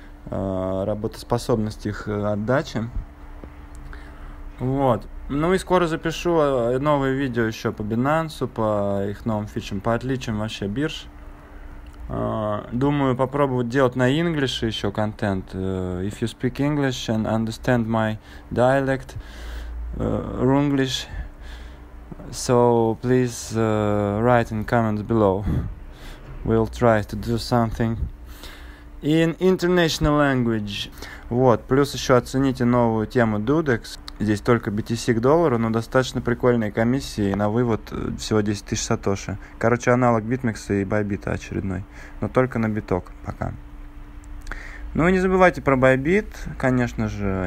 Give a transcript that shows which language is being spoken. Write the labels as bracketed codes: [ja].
[ru] работоспособность их отдачи. Вот. Ну и скоро запишу новое видео еще по Binance, по их новым фичам, по отличиям вообще бирж. Думаю попробовать делать на English еще контент. [en] If you speak English and understand my dialect, Runglish, so please write in comments below. We'll try to do something in international language. [ru] Вот, плюс еще оцените новую тему Dudex. Здесь только BTC к доллару, но достаточно прикольные комиссии. На вывод всего 10 тысяч сатоши. Короче, аналог Bitmex и Bybit очередной. Но только на биток пока. Ну и не забывайте про Bybit, конечно же.